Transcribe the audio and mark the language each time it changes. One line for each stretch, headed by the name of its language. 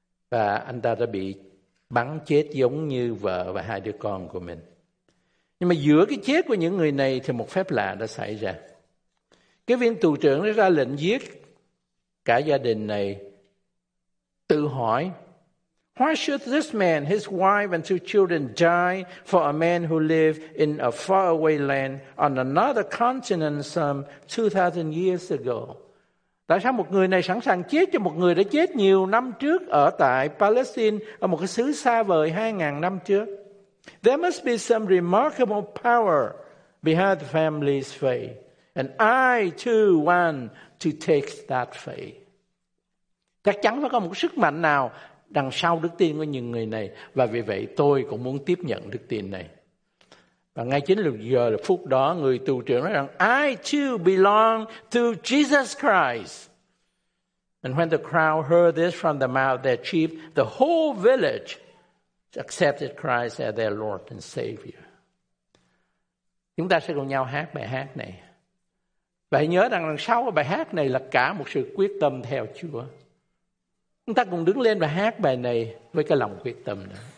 Vietnamese: Và anh ta đã bị bắn chết giống như vợ và hai đứa con của mình. Nhưng mà giữa cái chết của những người này thì một phép lạ đã xảy ra. Cái viên tù trưởng đã ra lệnh giết cả gia đình này. Tự hỏi,
English: why should this man, his wife and two children die for a man who lived in a faraway land on another continent some 2,000 years ago?
Vietnamese: Tại sao một người này sẵn sàng chết cho một người đã chết nhiều năm trước ở tại Palestine, ở một cái xứ xa vời 2,000 năm trước?
English: There must be some remarkable power behind the family's faith, and I too want to take that faith.
Vietnamese: Chắc chắn phải có một sức mạnh nào đằng sau đức tin của những người này, và vì vậy tôi cũng muốn tiếp nhận đức tin này. Và ngay chính lúc giờ là phút đó, người tù trưởng nói rằng,
English: I too belong to Jesus Christ. And when the crowd heard this from the mouth of their chief, the whole village accepted Christ as their Lord and Savior.
Vietnamese: Chúng ta sẽ cùng nhau hát bài hát này. Và hãy nhớ rằng đằng sau bài hát này là cả một sự quyết tâm theo Chúa. Chúng ta cùng đứng lên và hát bài này với cái lòng quyết tâm đó.